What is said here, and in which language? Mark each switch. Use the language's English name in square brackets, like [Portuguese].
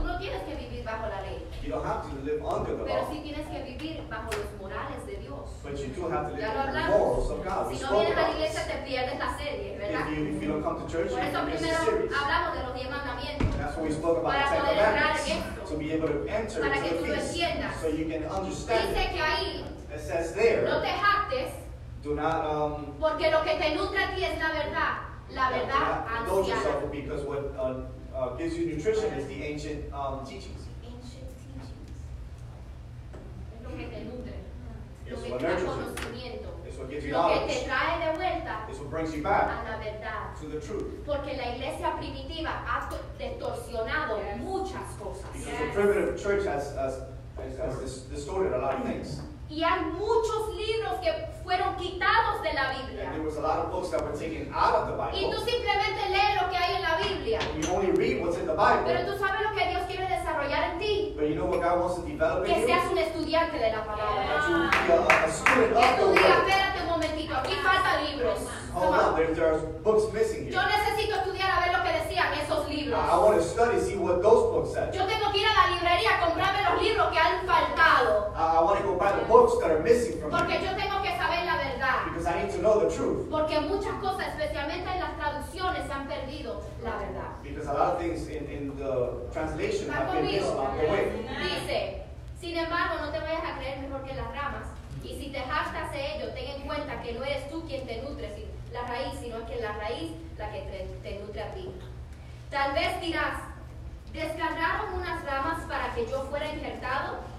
[Spanish] Tú no tienes que vivir bajo la ley. [English] You don't have to live under the [Spanish] pero [English] law. [Spanish] Pero sí tienes que vivir bajo los morales de Dios. [English] But you do have to live in the morals of God. [Spanish] Si no vienes a la iglesia, te pierdes la serie, ¿verdad? [English] If you don't come to church, [Spanish] por eso primero hablamos de los 10 mandamientos. [English] That's what we spoke about, [Spanish] para poder entrar en esto. [English] To be able to enter [Spanish] para [English] into [Spanish] que tú entiendas. [English] So you can understand. [Spanish] Dice que ahí, [English] it says there, [Spanish] no te jactes, [English] do not, [Spanish] porque lo que te nutre a ti es la verdad. La verdad [English] ancient. Don't suffer because what gives you nutrition is the ancient teachings. [Spanish] Es lo que te nutre. Es lo que te da conocimiento. Lo que te trae de vuelta. Es lo que [English] brings you back. [Spanish] A la verdad. [English] To the truth. [Spanish] Porque la iglesia primitiva ha distorsionado muchas cosas. [English] Because the primitive church has distorted a lot of things. [Spanish] Y hay muchos libros que fueron quitados de la Biblia. [English] And there was a lot of books that were taken out of the Bible. [Spanish] Y tú simplemente lees lo que hay en la Biblia. [English] You only read what's in the Bible. [Spanish] Pero tú sabes lo que Dios quiere desarrollar en ti. [English] But you know what God wants to develop [Spanish] que [English] in you. [Spanish] Que seas un estudiante de la palabra. [English] A student of the [Spanish] diga, espérate un momentito, aquí falta libros. [English] Hold on, there are books missing here. [Spanish] Yo necesito estudiar a ver lo que decían esos libros. [English] I want to study, see what those books said. [Spanish] Yo tengo que ir a la librería a comprarme los libros que han faltado. [English] I want to go buy the books that are missing from [Spanish] porque [English] here. [Spanish] Yo tengo que saber la verdad. [English] Because I need to know the truth. [Spanish] Porque muchas cosas, especialmente en las traducciones, se han perdido la verdad. [English] Because a lot of things in the translation have been missed along the way. [Spanish] Dice, sin embargo, no te vayas a creer mejor que las ramas. Y si te jactas de ello, ten en cuenta que no eres tú quien te nutre la raíz, sino que la raíz la que te nutre a ti. Tal vez dirás, ¿descargaron unas ramas para que yo fuera injertado?